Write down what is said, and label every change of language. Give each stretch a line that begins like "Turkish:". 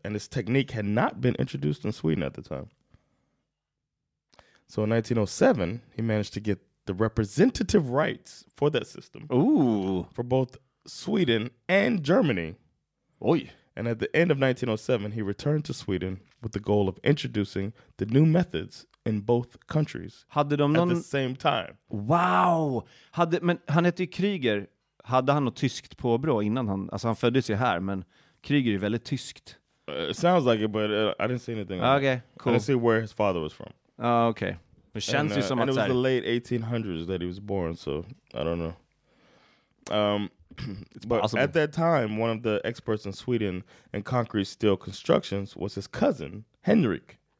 English: And this technique had not been introduced in Sweden at the time. So in 1907, he managed to get the representative rights for that system. Ooh. For both Sweden and Germany. Oy. And at the end of 1907, he returned to Sweden with the goal of introducing the new methods in both countries.
Swedish: Hade de at någon...
English: the same time.
Swedish: Wow! Men han heter ju Kreuger. Hade han något tyskt påbrå innan han... Alltså han föddes ju här, men Kreuger är väldigt tyskt.
English: It sounds like it, but I didn't see anything. Okay, cool. I didn't see where his father was from.
Swedish: Okay. Det känns ju som
English: and
Swedish: att...
English: And it was the late 1800s that he was born, so I don't know. But possible. At that time, one of the experts in Sweden in concrete steel constructions was his cousin, Henrik